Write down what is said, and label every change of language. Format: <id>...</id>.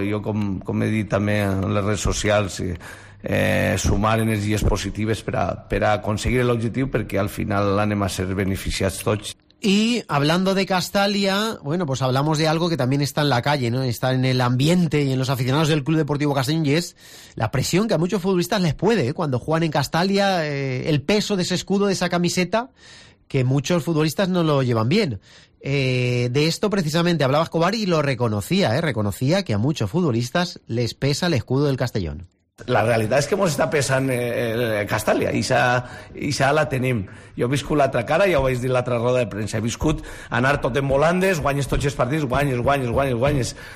<ca>Jo, com he dit també en les redes socials, sumar energies positives per a aconseguir l'objectiu, perquè al final anem a ser beneficiats tots.</ca> <es>Y hablando de Castalia, bueno, pues hablamos de algo que también está en la calle, ¿no? Está en el ambiente y en los aficionados del Club Deportivo Castellón, y es la presión que a muchos futbolistas les puede, ¿eh?, cuando juegan en Castalia, el peso de ese escudo, de esa camiseta, que muchos futbolistas no lo llevan bien. De esto precisamente hablaba Escobar y lo reconocía, ¿eh? Reconocía que a muchos futbolistas les pesa el escudo del Castellón.</es> <ca>La realitat és que ens està pesant Castalia, i això la tenim. Jo he viscut l'altra cara, ja ho vaig dir l'altra roda de premsa, he viscut anar tot en volandes, guanyes tots els partits, guanyes.</ca>